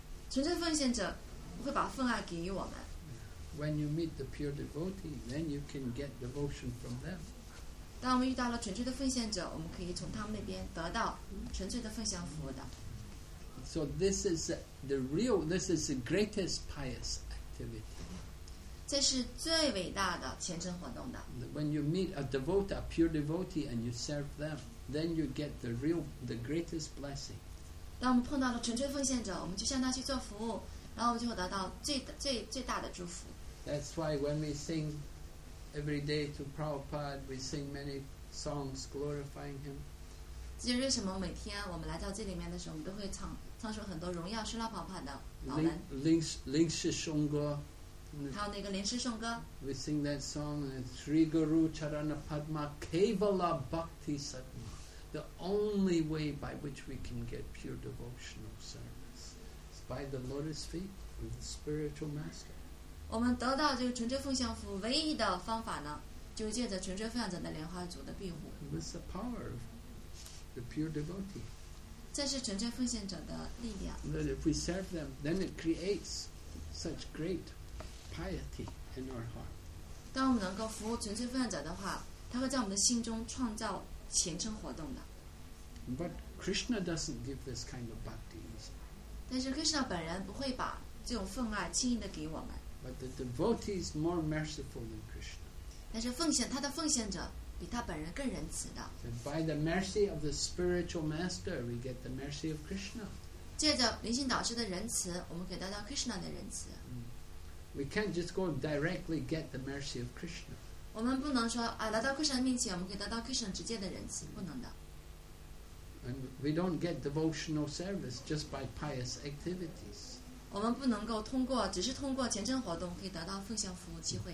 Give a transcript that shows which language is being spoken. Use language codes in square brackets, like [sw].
[zh] 纯粹奉献者会把奉爱给予我们。 [en] When you meet the pure devotee, then you can get devotion from them. [zh] 当我们遇到了纯粹的奉献者，我们可以从他们那边得到纯粹的奉献服务的。 [en] So this is the real, this is the greatest pious activity. [zh] 这是最伟大的虔诚活动的。 [en] When you meet a devotee, a pure devotee, and you serve them, then you get the real, the greatest blessing. [zh] 当我们碰到了纯粹奉献者，我们就向他去做服务。然后我就会得到最最最大的祝福。 [en] That's why when we sing every day to Prabhupada, we sing many songs glorifying him. [zh] 这就是为什么每天我们来到这里面的时候，我们都会唱出很多荣耀施拉宝帕的老人。灵师颂歌。还有那个灵师颂歌。 [en] We sing that song, [sa] Sri Guru Charana Padma Kevala Bhakti Satma, [en] the only way by which we can get pure devotional service. By the lotus feet of the spiritual master. [zh] 我们得到这个纯粹奉献服务唯一的方法呢，就借着纯粹奉献者的莲花主的庇护。 [en] With the power of the pure devotee. [zh] 这是纯粹奉献者的力量。 [en] That if we serve them, then it creates such great piety in our heart. [zh] 当我们能够服务纯粹奉献者的话，他会在我们的心中创造虔诚活动的。 [en] But Krishna doesn't give this kind of bhakti. [zh] 但是 Krishna 本人不会把这种奉爱轻易的给我们。 [en] But the devotee is more merciful than Krishna. [zh] 但是奉献他的奉献者比他本人更仁慈的。 [en] And by the mercy of the spiritual master, we get the mercy of Krishna. [zh] 借着灵性导师的仁慈，我们可以得到 Krishna 的仁慈。 [en] We can't just go and directly get the mercy of Krishna. [zh] 我们不能说啊，来到 Krishna 面前，我们可以得到 Krishna 直接的仁慈，不能的。 [en] And we don't get devotional service just by pious activities. [zh] 我们不能够通过，只是通过虔诚活动可以得到奉献服务机会。